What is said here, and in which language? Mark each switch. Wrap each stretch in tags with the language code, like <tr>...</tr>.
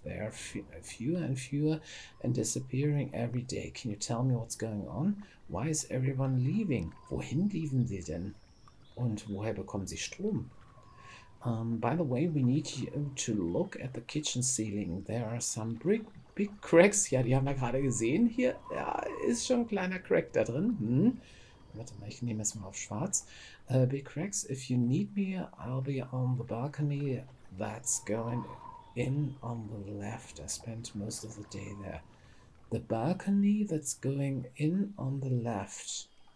<en>They are fewer and fewer and disappearing every day. Can you tell me what's going on? Why is everyone leaving?</en> <de>Wohin lieben sie denn? Und woher bekommen sie Strom?</de> <en>By the way, we need you to look at the kitchen ceiling. There are some big cracks.</en> <de>Ja, die haben wir gerade gesehen hier. Ja, ist schon ein kleiner Crack da drin. Warte mal, ich nehme es mal auf schwarz.</de> <en>Big cracks, if you need me, I'll be on the balcony that's going in on the left. I spent most of the day there. The balcony that's going in on the left.</en>